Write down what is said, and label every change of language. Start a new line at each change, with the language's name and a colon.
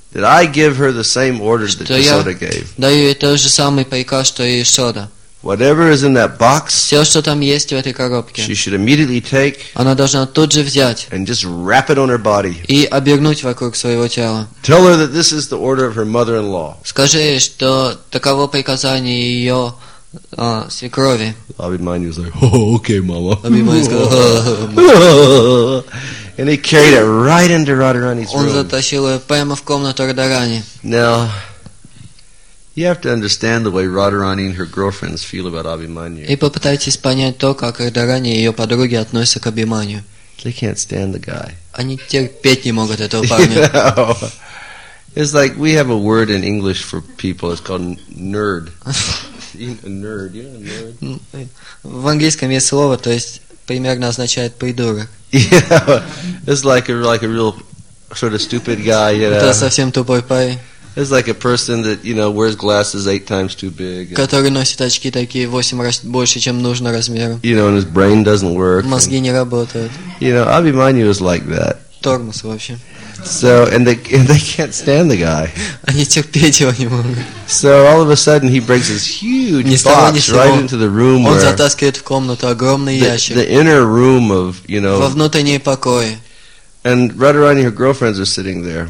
English: That I give her the same orders that Yashoda gave.
Russian: Даю ей тот же самый приказ, что и Яшода.
English: Whatever is in that box.
Russian: Все, что там есть в этой коробке.
English: She should immediately take.
Russian: Она должна тут же взять.
English: And just wrap it on her body.
Russian: И обернуть вокруг своего тела.
English: Tell her that this is the order of her mother-in-law.
Russian: Скажи ей, что таково приказание ее свекрови.
English: Abhimanyu was like, "Oh, okay, mama."
Russian: Abhimanyu сказал, "Oh,
English: and he carried it right into Radharani's room.
Russian: Он затащил ее прямо в комнату Радхарани.
English: Now. You have to understand the way Radharani and her girlfriends feel about Abhimanyu.
Russian: И попытайтесь понять то, как Радхарани и ее подруги относятся к Абхимани.
English: They can't stand the guy.
Russian: Они терпеть не могут этого парня.
English: It's like we have a word in English for people. It's called nerd. Nerd. You know, nerd.
Russian: В английском есть слово, то есть примерно означает придурок.
English: It's like a real sort of stupid guy.
Russian: Это совсем тупой парень.
English: It's like a person that, you know, wears glasses 8 times too big.
Russian: Который носит очки такие 8 раз больше, чем нужно размером.
English: You know, and his brain doesn't work.
Russian: Мозги не работают.
English: You know, Abhimanyu is like that.
Russian: Тормоз вообще.
English: So, and they can't stand the guy.
Russian: Они терпеть его не могут.
English: So, all of a sudden, he brings this huge box right into the room where...
Russian: Он затаскивает в комнату огромный ящик.
English: The inner room of, you know...
Russian: Во внутренние покои.
English: And Radharani and her girlfriends are sitting there.